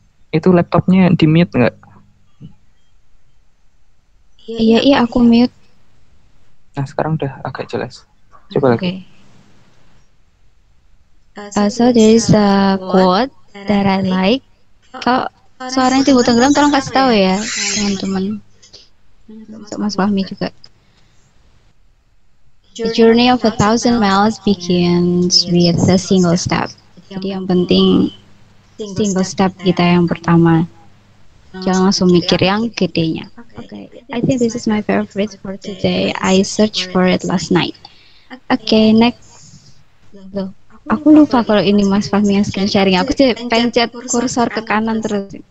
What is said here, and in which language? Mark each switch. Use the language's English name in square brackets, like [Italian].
[Indonesian] Itu laptopnya di mute nggak? Iya, aku mute. Nah, sekarang udah agak jelas. Coba lagi. [English] So there is a quote that I like. [Indonesian] Kok suaranya timbul tenggelam, tolong kasih tahu ya, teman-teman. Untuk Mas Fahmi juga. [English] The journey of 1,000 miles begins with a single step. [Indonesian] Jadi yang penting single step kita yang pertama. Jangan langsung mikir yang gedenya. [English] Okay. I think this is my favorite for today. I searched for it last night. Okay, next. Go. [Indonesian] Aku lupa kalau ini Mas Fahmi yang screen sharing. Aku sih pencet kursor ke kanan terus.